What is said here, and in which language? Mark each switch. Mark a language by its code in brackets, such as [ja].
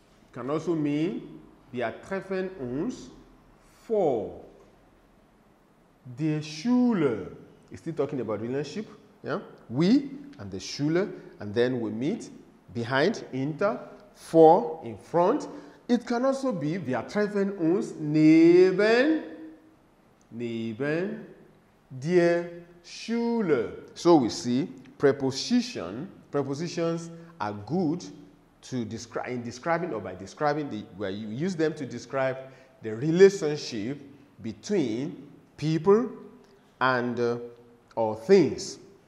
[en] It can also mean [de] wir treffen uns vor der Schule. [en] Is he talking about relationship? Yeah, we and the Schule, and then we meet behind, hinter, vor, in front. It can also be [de] wir treffen uns neben der Schule. [en] So we see prepositions are good to where you use them to describe the relationship between people and or things.